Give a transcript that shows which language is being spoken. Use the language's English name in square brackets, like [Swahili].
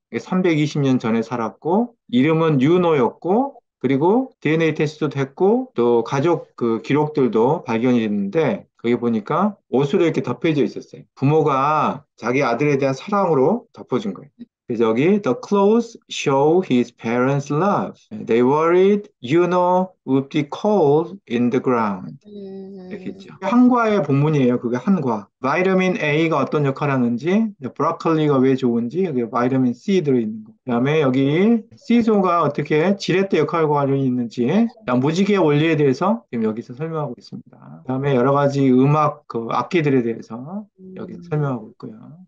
[Korean] 320년 전에 살았고, 이름은 유노였고, 그리고 DNA 테스트도 했고, 또 가족 그 기록들도 발견이 됐는데, 거기 보니까 옷으로 이렇게 덮여져 있었어요. 부모가 자기 아들에 대한 사랑으로 덮어준 거예요. 그래서 여기 [English] The clothes show his parents' love. They worried Yuno would be cold in the ground. [Korean] 이렇게 있죠. 한과의 본문이에요. 그게 한과. 비타민 A가 어떤 역할을 하는지, 브로콜리가 왜 좋은지, 여기 비타민 C 들어있는 거. 그다음에 여기 시소가 어떻게 지렛대 역할과 관련이 있는지, 무지개 원리에 대해서 지금 여기서 설명하고 있습니다. 그다음에 여러 가지 음악 그 악기들에 대해서 여기 설명하고 있고요.